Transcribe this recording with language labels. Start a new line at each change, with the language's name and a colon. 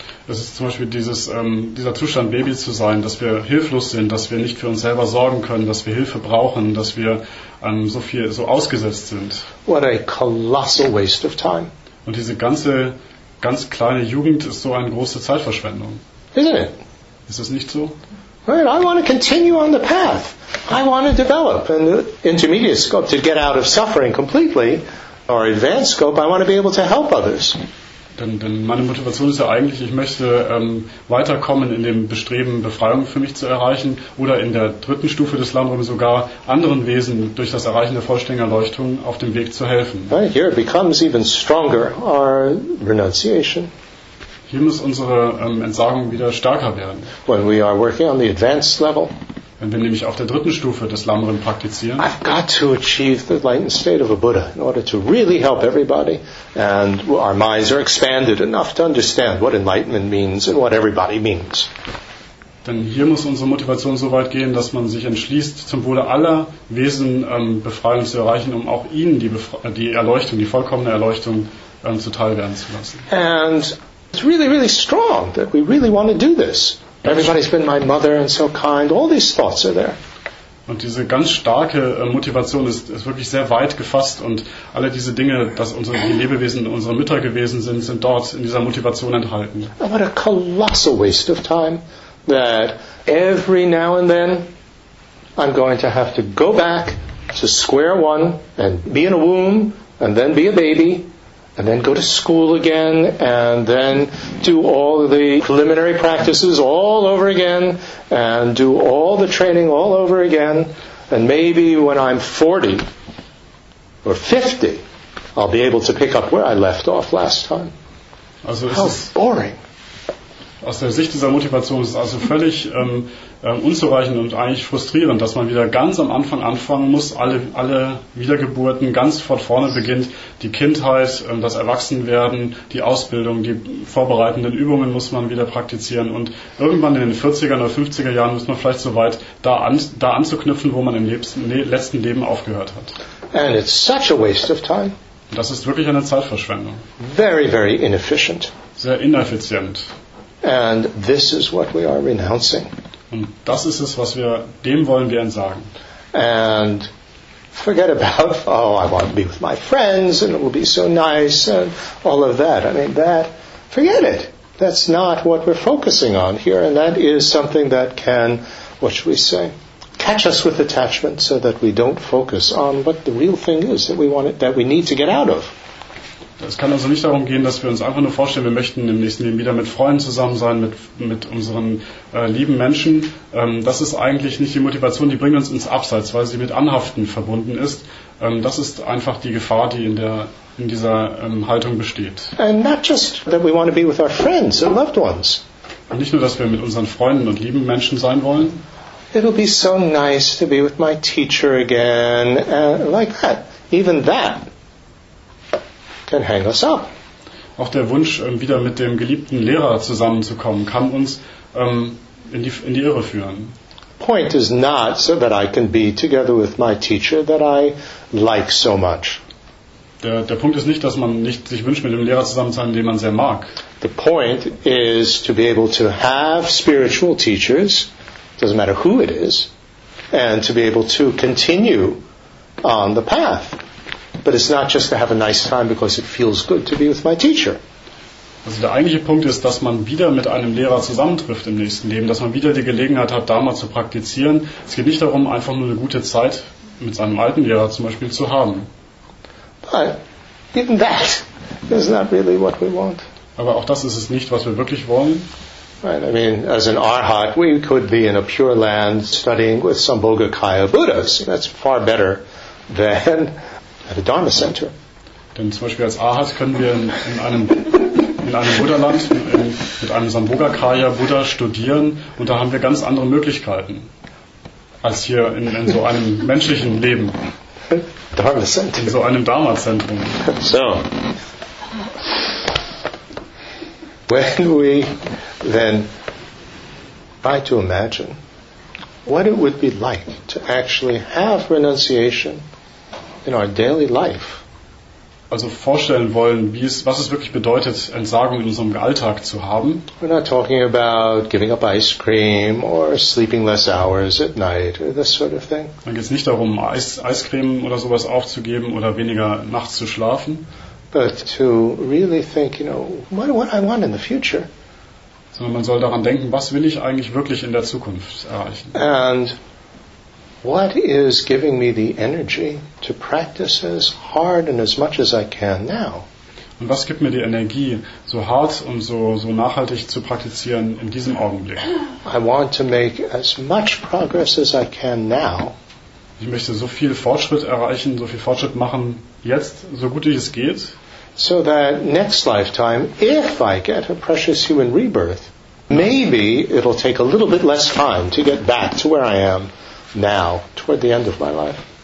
German: Das ist zum Beispiel dieser Zustand, Baby zu sein, dass wir hilflos sind, dass wir nicht für uns selber sorgen können, dass wir Hilfe brauchen, dass wir so ausgesetzt sind.
English: What a colossal waste of time.
German: Und diese ganze, ganz kleine Jugend ist so eine große Zeitverschwendung.
English: Isn't it?
German: Ist das nicht so?
English: Right, I want to continue on the path. I want to develop. And the intermediate scope, to get out of suffering completely, or advanced scope, I want to be able to help others.
German: Denn meine Motivation ist ja eigentlich, ich möchte weiterkommen in dem Bestreben, Befreiung für mich zu erreichen oder in der dritten Stufe des Lamrim sogar anderen Wesen durch das Erreichen der vollständigen Erleuchtung auf dem Weg zu helfen.
English: Right, here becomes even stronger our renunciation.
German: Hier muss unsere Entsagung wieder stärker werden.
English: When we are working on the advanced level,
German: wenn wir nämlich auf der dritten Stufe des Lamrim praktizieren,
English: I've got to achieve the enlightened state of a Buddha in order to really help everybody, and our minds are expanded enough to understand what enlightenment means and what everybody means.
German: Denn hier muss unsere Motivation so weit gehen, dass man sich entschließt, zum Wohle aller Wesen Befreiung zu erreichen, um auch ihnen die Erleuchtung, die vollkommene Erleuchtung zuteil werden zu lassen.
English: And it's really, really strong that we really want to do this. Everybody's been my mother and so kind. All these thoughts are there.
German: Und diese ganz starke Motivation ist wirklich sehr weit gefasst und alle diese Dinge, dass unsere Lebewesen unsere Mütter gewesen sind, sind dort in dieser Motivation enthalten.
English: What a colossal waste of time that every now and then I'm going to have to go back to square one and be in a womb and then be a baby. And then go to school again, and then do all the preliminary practices all over again, and do all the training all over again, and maybe when I'm 40 or 50, I'll be able to pick up where I left off last time. Also how boring.
German: Aus der Sicht dieser Motivation ist es also völlig unzureichend und eigentlich frustrierend, dass man wieder ganz am Anfang anfangen muss, alle Wiedergeburten ganz von vorne beginnt, die Kindheit, das Erwachsenwerden, die Ausbildung, die vorbereitenden Übungen muss man wieder praktizieren und irgendwann in den 40er oder 50er Jahren muss man vielleicht so weit da anzuknüpfen, wo man im letzten Leben aufgehört hat.
English: And it's such a waste of time.
German: Und das ist wirklich eine Zeitverschwendung.
English: Very, very inefficient.
German: Sehr ineffizient.
English: And this is what we are renouncing.
German: Und das ist es, was wir dem wollen wir entsagen.
English: And forget about, oh, I want to be with my friends and it will be so nice and all of that. I mean, that, forget it. That's not what we're focusing on here. And that is something that can, what should we say, catch us with attachment so that we don't focus on what the real thing is that we want it, that we need to get out of.
German: Es kann also nicht darum gehen, dass wir uns einfach nur vorstellen, wir möchten im nächsten Leben wieder mit Freunden zusammen sein, mit unseren lieben Menschen. Das ist eigentlich nicht die Motivation, die bringt uns ins Abseits, weil sie mit Anhaften verbunden ist. Das ist einfach die Gefahr, die in dieser Haltung besteht.
English: And not just that we want to be with our friends and loved ones.
German: Und nicht nur, dass wir mit unseren Freunden und lieben Menschen sein wollen.
English: It'll be so nice to be with my teacher again, like that, even that. And hang us up.
German: Auch der Wunsch, wieder mit dem geliebten Lehrer zusammenzukommen, kann uns in die Irre führen.
English: Point is not so that I can be together with my teacher that I like so much.
German: Der Punkt ist nicht, dass man nicht sich wünscht, mit dem Lehrer zusammen zu sein, den man sehr mag.
English: The point is to be able to have spiritual teachers, doesn't matter who it is, and to be able to continue on the path. But it's not just to have a nice time because it feels good to be with my teacher.
German: Also der eigentliche Punkt ist, dass man wieder mit einem Lehrer zusammentrifft im nächsten Leben, dass man wieder die Gelegenheit hat, da mal zu praktizieren. Es geht nicht darum, einfach nur eine gute Zeit mit seinem alten Lehrer zum Beispiel zu haben.
English: But even that is not really what we want.
German: Aber auch das ist es nicht, was wir wirklich wollen.
English: Right, I mean, as an Arhat, we could be in a pure land studying with some Bodhisattva Buddhas. That's far better than at a Dharma center.
German: Denn zum Beispiel als Arhat können wir in einem Buddha-Land mit einem Sambhogakaya Buddha studieren und da haben wir ganz andere Möglichkeiten als hier in so einem menschlichen Leben.
English: Dharma center.
German: In so einem Dharma-Zentrum.
English: So. When we then try to imagine what it would be like to actually have renunciation in our daily life.
German: Also vorstellen wollen, was es wirklich bedeutet, Entsagung in unserem Alltag zu haben.
English: We're not talking about giving up ice cream or sleeping less hours at night or this sort of thing.
German: Dann geht's nicht darum, Eiscreme oder sowas aufzugeben oder weniger nachts zu schlafen.
English: But to really think, you know, what I want in the future.
German: Sondern man soll daran denken, was will ich eigentlich wirklich in der Zukunft erreichen?
English: And what is giving me the energy to practice as hard and as much as I can now?
German: Und was gibt mir die Energie, so hart und so nachhaltig zu praktizieren in diesem Augenblick?
English: I want to make as much progress as I can now.
German: Ich möchte so viel Fortschritt erreichen, so viel Fortschritt machen, jetzt, so gut wie es geht.
English: So that next lifetime, if I get a precious human rebirth, maybe it'll take a little bit less time to get back to where I am now, toward the end of my life.